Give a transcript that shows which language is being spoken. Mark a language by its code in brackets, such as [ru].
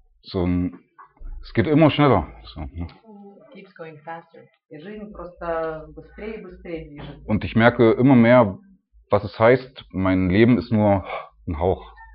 [de] So, es geht immer schneller. [en] Keeps going faster. [ru] И жизнь просто быстрее и быстрее движется. [de] Und ich merke immer mehr, was es heißt, mein Leben ist nur ein Hauch.